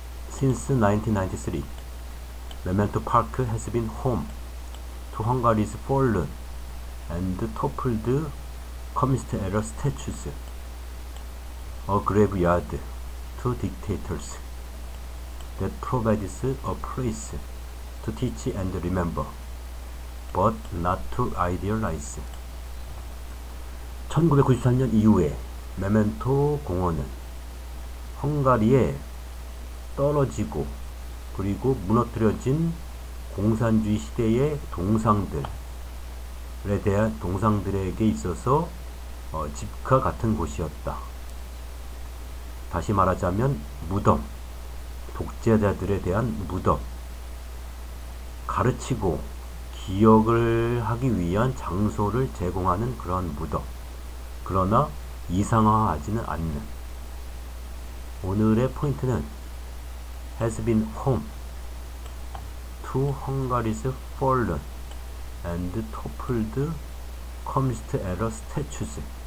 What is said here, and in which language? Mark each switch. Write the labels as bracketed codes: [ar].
[en] 신스 1993, 메멘토 파크 has been home to Hungary's fallen and toppled communist era statues, a graveyard to dictators that provides a place to teach and remember, but not to idealize. [ko] 1993년 이후에 메멘토 공원은 헝가리의 떨어지고 그리고 무너뜨려진 공산주의 시대의 동상들에 대한 동상들에게 있어서 집과 같은 곳이었다. 다시 말하자면 무덤, 독재자들에 대한 무덤, 가르치고 기억을 하기 위한 장소를 제공하는 그런 무덤, 그러나 이상화하지는 않는. 오늘의 포인트는 [en] has been home to Hungary's fallen and toppled communist era statues.